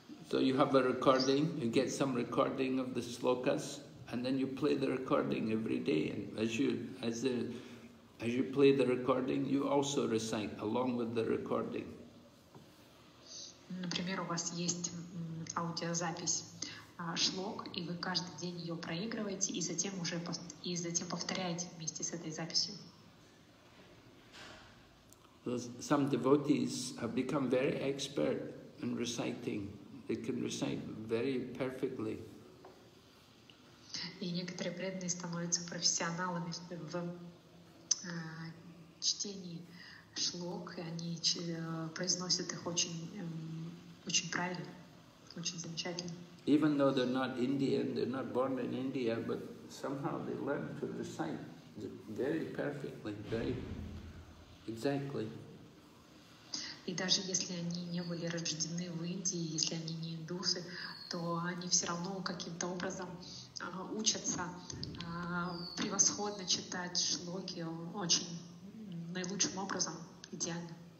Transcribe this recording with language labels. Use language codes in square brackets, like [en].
[en] So you have a recording, you get some recording of the slokas, and then you play the recording every day, and as you play the recording, you also recite along with the recording. [ru] Например, у вас есть аудиозапись шлок, и вы каждый день ее проигрываете, и затем уже повторяете вместе с этой записью. [en] Some devotees have become very expert in reciting. They can recite very perfectly. [ru] И некоторые преданные становятся профессионалами в чтении шлок, и они произносят их очень правильно, очень замечательно. [en] Even though they're not Indian, they're not born in India, but somehow they learn to recite very perfectly, very exactly. [ru] И даже если они не были рождены в Индии, если они не индусы, то они все равно каким-то образом учатся превосходно читать шлоки очень наилучшим образом, идеально.